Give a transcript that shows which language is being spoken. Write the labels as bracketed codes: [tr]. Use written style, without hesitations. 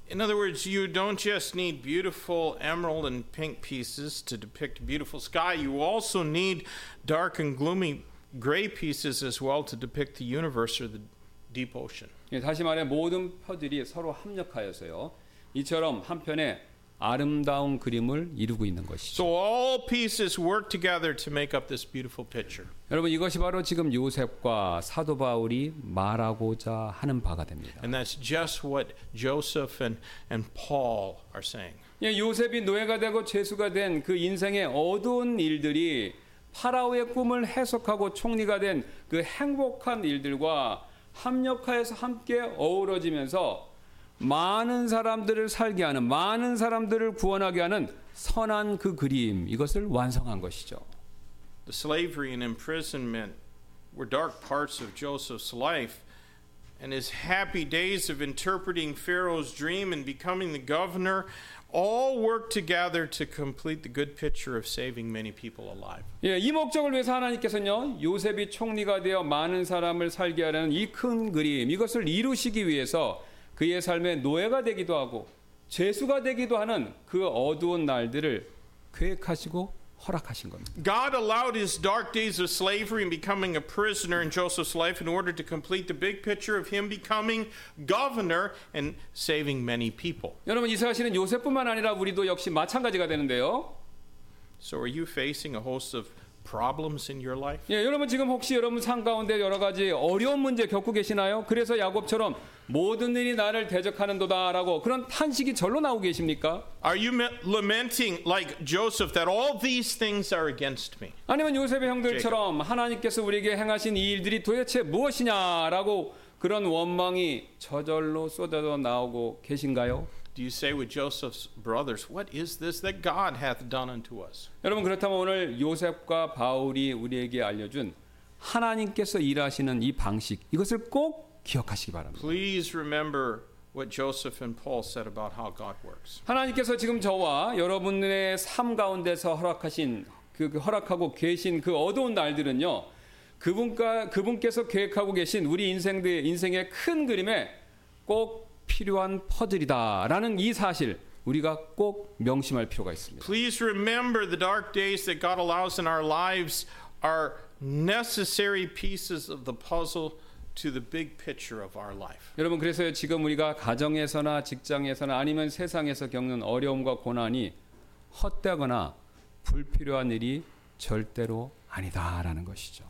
[en] In other words, you don't just need beautiful emerald and pink pieces to depict beautiful sky. You also need dark and gloomy gray pieces as well to depict the universe or the deep ocean. [ko] 예, 다시 말해 모든 퍼즐이 서로 합력하여서요. 이처럼 한편에 아름다운 그림을 이루고 있는 것이죠. [en] So all pieces work together to make up this beautiful picture. [ko] 여러분 이것이 바로 지금 요셉과 사도 바울이 말하고자 하는 바가 됩니다. [en] And that's just what Joseph and Paul are saying. [ko] 예, 요셉이 노예가 되고 죄수가 된 그 인생의 어두운 일들이 파라오의 꿈을 해석하고 총리가 된 그 행복한 일들과 합력하여서 함께 어우러지면서 많은 사람들을 살게 하는 많은 사람들을 구원하게 하는 선한 그 그림 이것을 완성한 것이죠. [en] The slavery and imprisonment were dark parts of Joseph's life and his happy days of interpreting Pharaoh's dream and becoming the governor all work together to complete the good picture of saving many people alive. [ko] 예, 이 목적을 위해서 하나님께서는요, 요셉이 총리가 되어 많은 사람을 살게 하려는 이 큰 그림, 이것을 이루시기 위해서 그의 삶의 노예가 되기도 하고 죄수가 되기도 하는 그 어두운 날들을 계획하시고 허락하신 겁니다. [en] God allowed his dark days of slavery and becoming a prisoner in Joseph's life in order to complete the big picture of him becoming governor and saving many people. [ko] 여러분 이사야시는 요셉뿐만 아니라 우리도 역시 마찬가지가 되는데요. [en] So are you facing a host of problems in your life? [ko] 예, 여러분 지금 혹시 여러분 삶 가운데 여러 가지 어려운 문제 겪고 계시나요? 그래서 야곱처럼 모든 일이 나를 대적하는도다라고 그런 탄식이 절로 나오고 계십니까? [en] Are you lamenting like Joseph that all these things are against me? [ko] 아니면 요셉의 형들처럼 하나님께서 우리에게 행하신 이 일들이 도대체 무엇이냐라고 그런 원망이 저절로 쏟아져 나오고 계신가요? [en] Do you say with Joseph's brothers, "What is this that God hath done unto us"? [ko] 여러분 그렇다면 오늘 요셉과 바울이 우리에게 알려준 하나님께서 일하시는 이 방식 이것을 꼭 기억하시기 바랍니다. [en] Please remember what Joseph and Paul said about how God works. [ko] 하나님께서 지금 저와 여러분들의 삶 가운데서 허락하신 허락하고 계신 그 어두운 날들은요 그분께서 계획하고 계신 우리 인생의 큰 그림에 꼭 필요한 퍼즐이다라는 이 사실 우리가 꼭 명심할 필요가 있습니다. [en] Please remember the dark days that God allows in our lives are necessary pieces of the puzzle to the big picture of our life. [ko] 여러분 그래서 지금 우리가 가정에서나 직장에서나 아니면 세상에서 겪는 어려움과 고난이 헛되거나 불필요한 일이 절대로 아니다라는 것이죠.